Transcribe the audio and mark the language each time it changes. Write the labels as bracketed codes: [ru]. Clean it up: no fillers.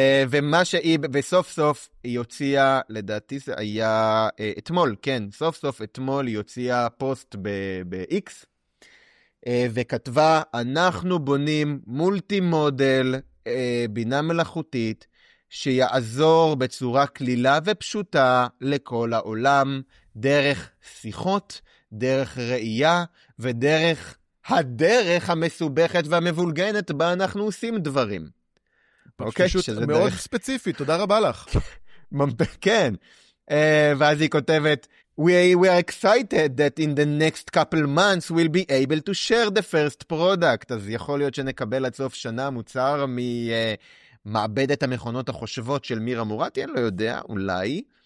[he] ומה שהיא, וסוף סוף היא הוציאה, לדעתי זה היה אתמול, כן, סוף סוף אתמול היא הוציאה פוסט ב-X, וכתבה, אנחנו בונים מולטי מודל, בינה מלאכותית, שיעזור בצורה כלילה ופשוטה לכל העולם, דרך שיחות, דרך ראייה, ודרך הדרך המסובכת והמבולגנת בה אנחנו עושים דברים. פשוט מאוד ספציפית, תודה רבה לך. כן, ואז היא כותבת, [en] We are excited that in the next couple months we'll be able to share the first product. [he] אז יכול להיות שנקבל עד סוף שנה מוצר ממעבדת המכונות החושבות של מירה מורתי, אני לא יודע, אולי.